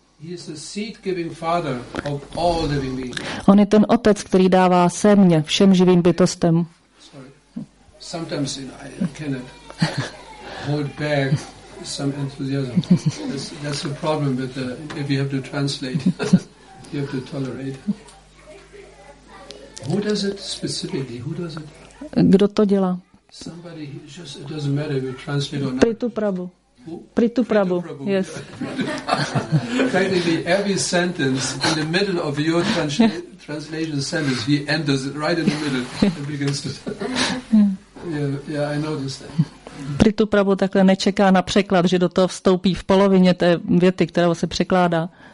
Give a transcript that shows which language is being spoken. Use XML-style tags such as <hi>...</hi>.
<en>He is the seed-giving father of all living beings.</en> <cs>On je ten otec, který dává semě všem živým bytostem.</cs> <en>Sorry. Sometimes I cannot hold back some enthusiasm. That's a problem with the, if you have to translate, you have to tolerate. Who does it specifically? Who does it?</en> <cs>Kdo to dělá?</cs> <en>Somebody just, it doesn't matter if you translate or not. Prithu Prabhu. Yes. Practically every sentence in the middle of your translation sentence, he enters it right in the middle and begins to. Yeah, I noticed that.</en> <cs>Prithu Prabhu takhle nečeká na překlad, že do toho vstoupí v polovině té věty, kterou se překládá.</cs>